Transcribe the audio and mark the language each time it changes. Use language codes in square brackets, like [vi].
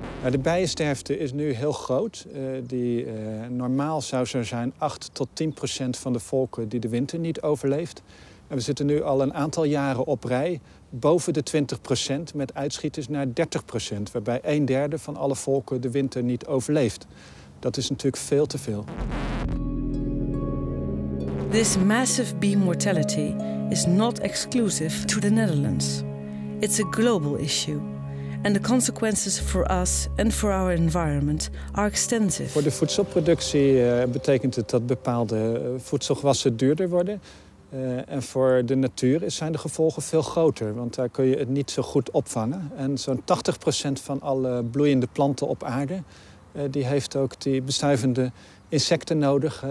[nl] De bijensterfte is nu heel groot. Normaal zou zo zijn 8-10% van de volken die de winter niet overleeft. En we zitten nu al een aantal jaren op rij boven de 20% met uitschieters naar 30%. Waarbij 1/3 van alle volken de winter niet overleeft. Dat is natuurlijk veel te veel. [en] This massive bee mortality is not exclusive to the Netherlands. It's a global issue. And the consequences for us and for our environment are extensive. [nl] Voor de voedselproductie betekent het dat bepaalde voedselgewassen duurder worden. En voor de natuur zijn de gevolgen veel groter, want daar kun je het niet zo goed opvangen. En zo'n 80% van alle bloeiende planten op aarde, die heeft ook die bestuivende insecten nodig.